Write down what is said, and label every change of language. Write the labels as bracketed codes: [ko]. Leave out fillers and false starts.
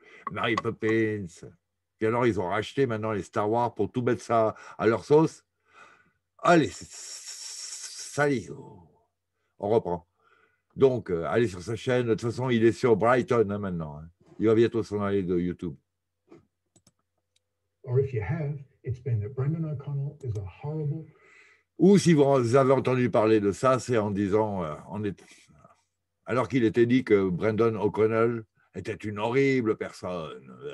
[fr] Mary Poppins. Et alors, ils ont racheté maintenant les Star Wars pour tout mettre ça à leur sauce. Allez, salut. On reprend. Donc, allez sur sa chaîne. De toute façon, il est sur Brighton hein, maintenant. Hein. Il va bientôt s'en aller de YouTube. [en] Or if you have, it's been that Brendan O'Connell is a horrible... [fr] Ou si vous avez entendu parler de ça, c'est en disant... alors qu'il était dit que Brendan O'Connell était une horrible personne.